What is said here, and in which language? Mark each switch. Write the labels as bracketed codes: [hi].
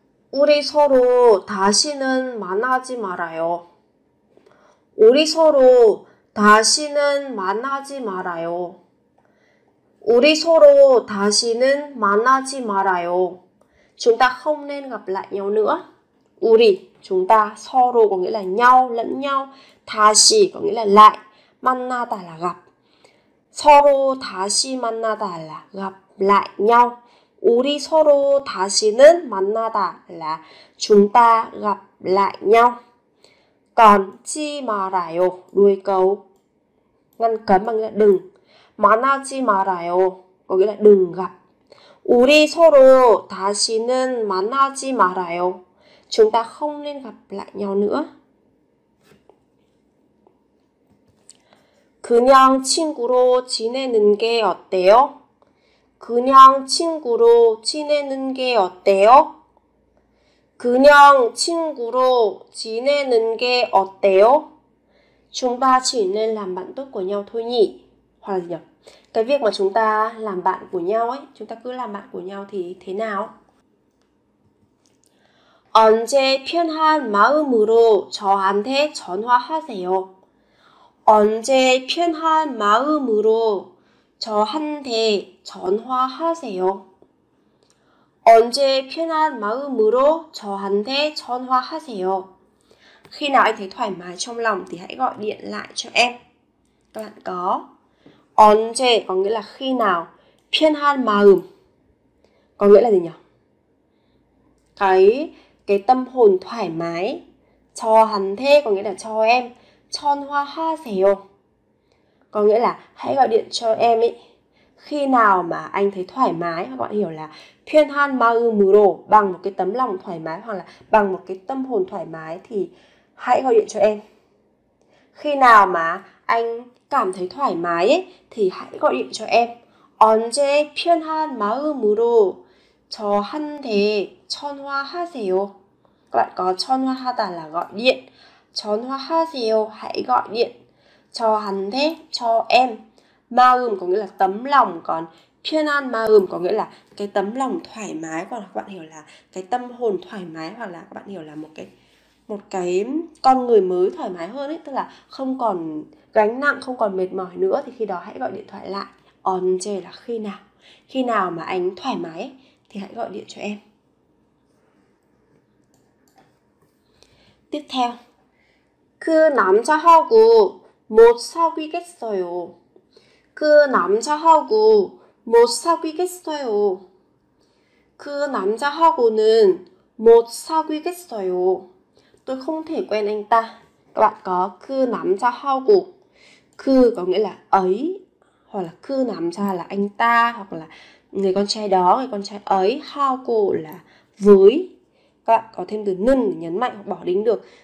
[ko] 우리 서로 다시는 만나지 말아요. 우리 서로 다시는 만나지 말아요. 우리 서로 다시는 만나지 말아요. [vi] Chúng ta không nên gặp lại nhau nữa. 우리 chúng ta, 서로 có nghĩa là nhau, lẫn nhau. 다시 có nghĩa là lại. 만나다 là gặp. [ko] 서로 다시 만나다 [vi] là gặp lại nhau. [ko] 우리 서로 다시는 만나다 [vi] là chúng ta gặp lại nhau. Còn [ko] 지 말아요 [vi] đuôi câu ngăn cấm bằng là đừng. [ko] 만나지 말아요 [vi] có nghĩa là đừng gặp. [ko] 우리 서로 다시는 만나지 말아요. [vi] Chúng ta không nên gặp lại nhau nữa. [ko] 그냥 친구로 지내는 게 어때요? 그냥 친구로 지내는 게 어때요? 그냥 친구로 지내는 게 어때요? [vi] Chúng ta chỉ nên làm bạn tốt của nhau thôi nhỉ? Hoặc là gì? Cái việc mà chúng ta làm bạn của nhau ấy, chúng ta cứ làm bạn của nhau thì thế nào? [ko] 언제 편한 마음으로 저한테 전화하세요. 언제 편한 마음으로 저한테 전화하세요. 언제 편한 마음으로 저한테 전화하세요. [vi] Khi nào anh thấy thoải mái trong lòng thì hãy gọi điện lại cho em. Các bạn có 언제 có nghĩa là khi nào, [ko] 편한 마음 [vi] có nghĩa là gì nhỉ? Cái tâm hồn thoải mái. 저한테 có nghĩa là cho em. 전화하세요 có nghĩa là hãy gọi điện cho em ý. Khi nào mà anh thấy thoải mái, các bạn hiểu là [ko] 편한 마음으로 [vi] bằng một cái tấm lòng thoải mái hoặc là bằng một cái tâm hồn thoải mái thì hãy gọi điện cho em. Khi nào mà anh cảm thấy thoải mái ý, thì hãy gọi điện cho em. [ko] 언제 편한 마음으로 저한테 전화하세요. [vi] Các bạn có 전화하다 là gọi điện. 전화하세요, hãy gọi điện. 저한테, cho em. 마음 có nghĩa là tấm lòng, còn [ko] 편안 마음 [vi] có nghĩa là cái tấm lòng thoải mái, hoặc là các bạn hiểu là cái tâm hồn thoải mái, hoặc là các bạn hiểu là một cái con người mới thoải mái hơn ấy, tức là không còn gánh nặng, không còn mệt mỏi nữa, thì khi đó hãy gọi điện thoại lại. 언제 là khi nào? Khi nào mà anh thoải mái ấy, thì hãy gọi điện cho em. Tiếp theo. [ko] 그 남자하고 못 사귀겠어요. 그 남자하고 못 사귀겠어요. 그 남자하고는 못 사귀겠어요. [vi] Tôi không thể quen anh ta. Các bạn có [ko] 그 남자하고. [vi] 그 có nghĩa là ấy, hoặc là [ko] 그 남자 [vi] là anh ta, hoặc là người con trai đó, người con trai ấy. 하고 là với. Các bạn có thêm từ 는 nhấn mạnh hoặc bỏ đính được.